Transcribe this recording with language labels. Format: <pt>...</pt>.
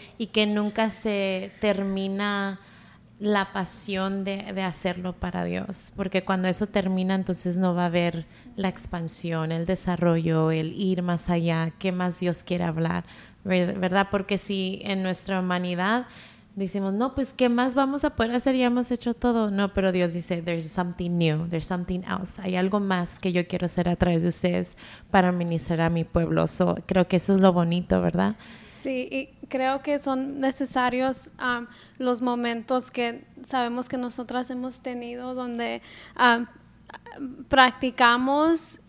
<es>Y que nunca se termina la pasión de hacerlo para Dios. Porque cuando eso termina, entonces no va a haber la expansión, el desarrollo, el ir más allá, qué más Dios quiere hablar, ¿verdad? Porque si en nuestra humanidad decimos, no, pues qué más vamos a poder hacer, ya hemos hecho todo. No, pero Dios dice,</es> <en>there's something new, there's something else.</en> <es>Hay algo más que yo quiero hacer a través de ustedes para ministrar a mi pueblo. So, creo que eso es lo bonito, ¿verdad? Sí, y creo que son necesarios los momentos que sabemos que nosotras hemos tenido donde practicamos.</es>